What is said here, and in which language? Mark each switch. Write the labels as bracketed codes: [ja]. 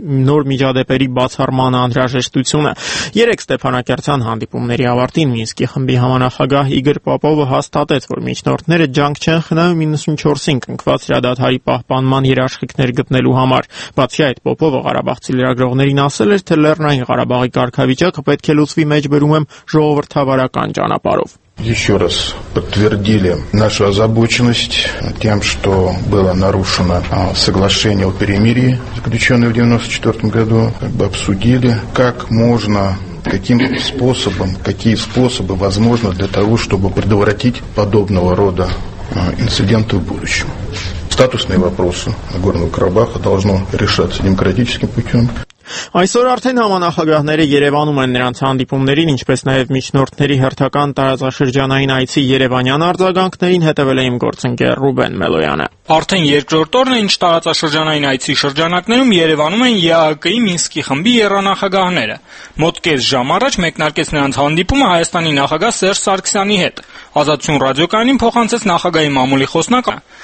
[hy] նոր միջադեպերի բացառման անհրաժեշտությունը։ Երեք Ստեփանակերտյան հանդիպումների ավարտին Մինսկի խմբի համանախագահ Իգոր Պապովը հաստատեց, որ միջնորդները ջանք չեն խնայում 94-ին կնքված հրադադարի պահպանման երաշխիքներ գտնելու համար։ Բացի այդ, Պապովը Ղարաբաղցի լրագրողներին ասել էր, թե Լեռնային Ղարաբաղի կարգավիճակը պետք է լուծվի մեջբերումեմ ժողովրդավարական ճանապարհով։ [ru] Еще раз подтвердили нашу озабоченность тем, что было нарушено соглашение о перемирии, заключенное в 1994 году, как бы обсудили, как можно, каким способом, какие способы возможны для того, чтобы предотвратить подобного рода инциденты в будущем. Статусные вопросы Нагорного Карабаха должны решаться демократическим путем. [hy] Այսօր արդեն համանախագահները Երևանում են նրանց հանդիպումներին, ինչպես նաև միջնորդների հերթական տարածաշրջանային այցի Երևանյան արձագանքներին հետևել է իմ գործընկեր Ռուբեն Մելոյանը։ Արդեն երկրորդ օրն է, ինչ տարածաշրջանային այցի շրջանակներում Երևանում են ԵԱԿ-ի Մինսկի խմբի եռանախագահները։ Մոտ կես ժամ առաջ մեկնարկեց նրանց հանդիպումը Հայաստանի նախագահ Սերժ Սարգսյանի հետ։ Ազատություն ռադիոկայանին փոխանցեց նախագահի մամուլի խոսնակը։